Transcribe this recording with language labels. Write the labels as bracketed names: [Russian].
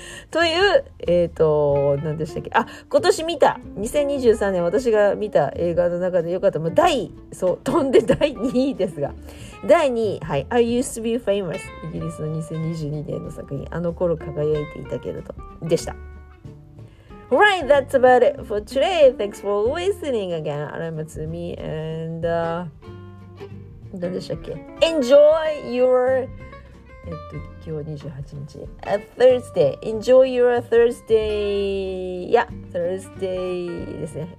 [Japanese] という何でしたっけ、あ、今年見た2023年私が見た映画の中で良かった、飛んで第2位ですが、第2位、はい、 I used to be famous、 イギリスの2022年の作品、あの頃輝いていたけれど、でした。 [English] Alright, that's about it for today. Thanks for listening again. I'm Atsumi and [Japanese] 何でしたっけ? [English] Enjoy your [Japanese] 今日28日 [English] Thursday. Enjoy your Thursday. Yeah, Thursday [Japanese] ですね。